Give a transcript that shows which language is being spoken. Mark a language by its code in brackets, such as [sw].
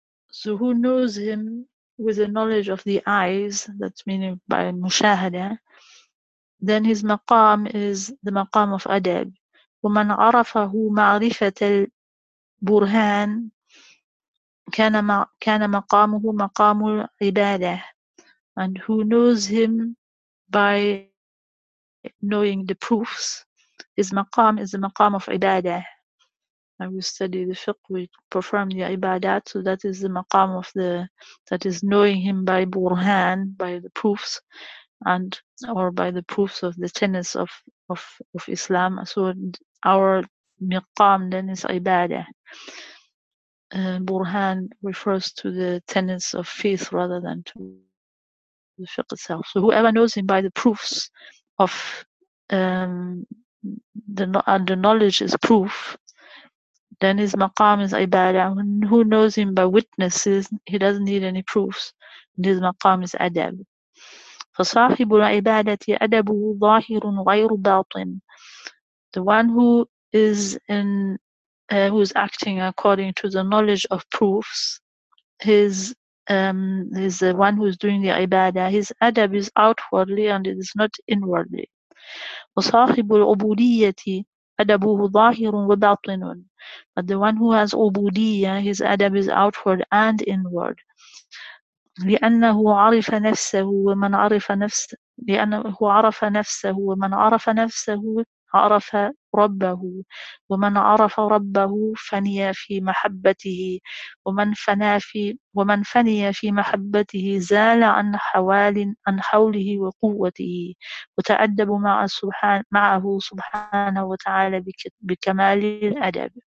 [en] So who knows him with the knowledge of the eyes, that's meaning by مشاهدة, then his maqam is the maqam of adab. [ar] ومن عرفه معرفة البرهان كان مقامه مقام العبادة. [en] And who knows him by knowing the proofs, his maqam is the maqam of ibadah. And we study the fiqh, we perform the ibadat, so that is the maqam of the, that is knowing him by burhan, by the proofs, and or by the proofs of the tenets of Islam. So our maqam then is ibadah. Burhan refers to the tenets of faith rather than to the fiqh itself. So whoever knows him by the proofs of the knowledge is proof, then his maqam is ibadah. Who knows him by witnesses, he doesn't need any proofs, his maqam is adab. [ar] فصاحب العبادة أدبه ظاهر غير باطن. [en] The one who is in who is acting according to the knowledge of proofs, is the one who is doing the ibadah. His adab is outwardly and it is not inwardly. [ar] وصاحب العبودية أدبه ظاهر وباطن. [en] But the one who has عبودية, his adab is outward and inward. [ar] لأنه عرف نفسه ومن عرف نفس لأنه عرف نفسه ومن عرف نفسه عرف ربه ومن عرف ربه فني في محبته ومن فني في محبته زال عن حوال عن حوله وقوته وتأدب معه سبحانه وتعالى بكمال الأدب.